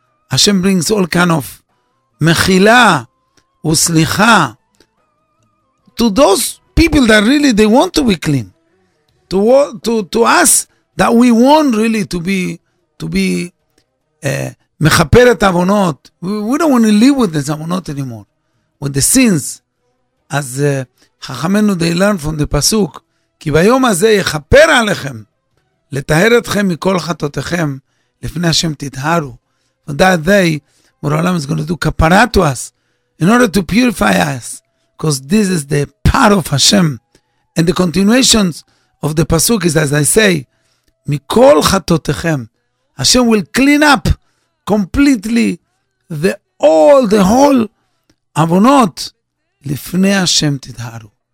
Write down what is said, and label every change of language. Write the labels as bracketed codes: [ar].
[en] Hashem brings all kind of mechila uslicha to those people that really they want to be clean. To us that we want really to be mechaperet avonot. We don't want to live with these avonot anymore. With the sins. As Chachamenu they learn from the Pasuk, [he] כי ביום הזה יחפר עליכם לטהר אתכם מכל חטאותיכם לפני השם תטהרו. [en] For that day, our Olam is going to do kapara to us in order to purify us, because this is the part of Hashem. And the continuations of the Pasuk is, as I say, [he] מכל חטאותיכם, [en] Hashem will clean up completely the whole [he] עוונות לפני השם תטהרו.